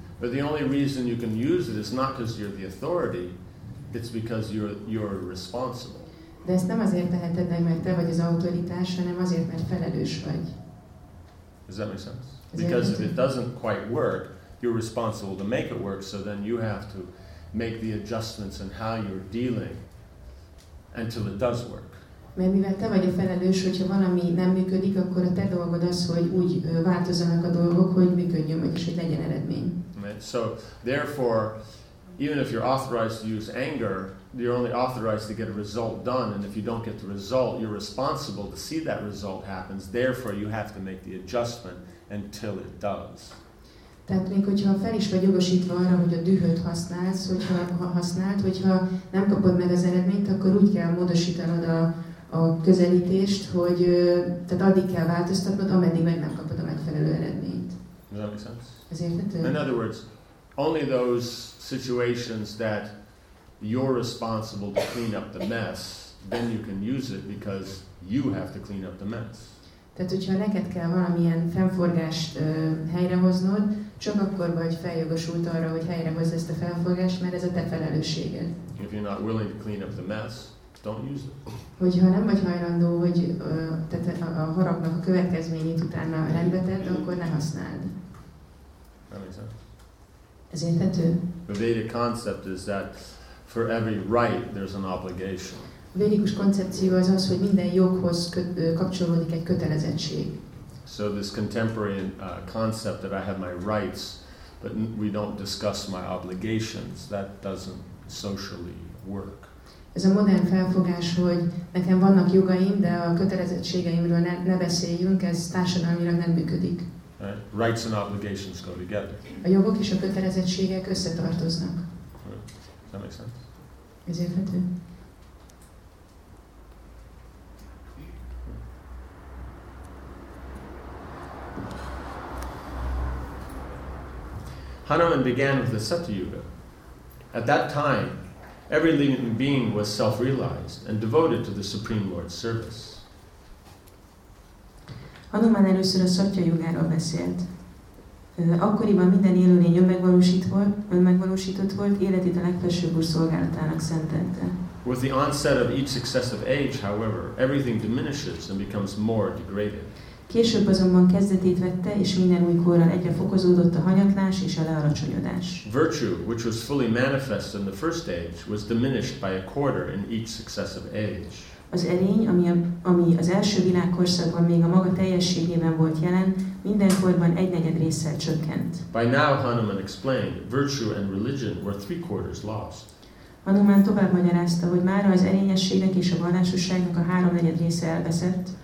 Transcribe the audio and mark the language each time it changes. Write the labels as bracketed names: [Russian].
[English] But the only reason you can use it is not because you're the authority, it's because you're responsible. [Hungarian] De ezt nem azért teheted meg, mert te vagy az autoritás, hanem azért, mert felelős vagy. [English] Does that make sense? Because if it doesn't quite work, you're responsible to make it work, so then you have to make the adjustments in how you're dealing until it does work. [Hungarian] Mert mivel te vagy a felelős, hogyha valami nem működik, akkor a te dolgod az, hogy úgy változzanak a dolgok, hogy működjön, és hogy legyen eredmény. [English] So, therefore, even if you're authorized to use anger, you're only authorized to get a result done, and if you don't get the result, you're responsible to see that result happens, therefore you have to make the adjustment until it does. [Hungarian] Tehát még hogyha fel is vagy jogosítva arra, hogy a dühöt használsz, hogyha használt, hogyha nem kapod meg az eredményt, akkor úgy kell módosítanod a közelítést, hogy tehát addig kell változtatnod, ameddig meg nem kapod a megfelelő eredményt. [English] Does that make sense? [Hungarian] Ezért, tehát, [English] in other words, only those situations that you're responsible to clean up the mess, then you can use it because you have to clean up the mess. [Hungarian] Tehát, hogyha neked kell valamilyen fennforgást helyrehoznod, csak akkor vagy feljogosult arra, hogy helyrehozz ezt a fennforgást, mert ez a te felelősséged. [English] If you're not willing to clean up the mess, don't use it. [Hungarian] Hogyha nem vagy hajlandó, hogy a haragnak a következményét utána rendbe tedd, akkor ne használd. Ez érthető? [English] The Vedic concept is that for every right, there's an obligation. [Hungarian] A védikus koncepció az az, hogy minden joghoz kapcsolódik egy kötelezettség. [English] So this contemporary concept that I have my rights, but we don't discuss my obligations. That doesn't socially work. [Hungarian] Ez a modern felfogás, hogy nekem vannak jogaim, de a kötelezettségeimről ne beszéljünk, ez társadalmilag nem működik. [English] Rights and obligations go together. [Hungarian] A jogok és a kötelezettségek összetartoznak. [English] That makes sense. [Hungarian] Ez érthető. [English] Hanuman began with the Satyuga. At that time, every living being was self-realized and devoted to the Supreme Lord's service. [Hungarian] Hanuman először a Satyayugáról beszélt. Akkoriban minden élőlény önmegvalósított volt, életét a legfelsőbb úr szolgálatának szentelte. [English] With the onset of each successive age, however, everything diminishes and becomes more degraded. [Hungarian] Később azonban kezdetét vette, és minden új korral egyre fokozódott a hanyatlás és a lealacsonyodás. [English] Virtue, which was fully manifest in the first age, was diminished by a quarter in each successive age. [Hungarian] Az erény, ami az első világkorszakban még a maga teljességében volt jelen, minden korban egy negyed résszel csökkent. [English] By now, Hanuman explained, virtue and religion were three quarters lost. [Hungarian] Hanuman tovább magyarázta, hogy mára az erényességnek és a vallásosságnak a háromnegyed része elveszett.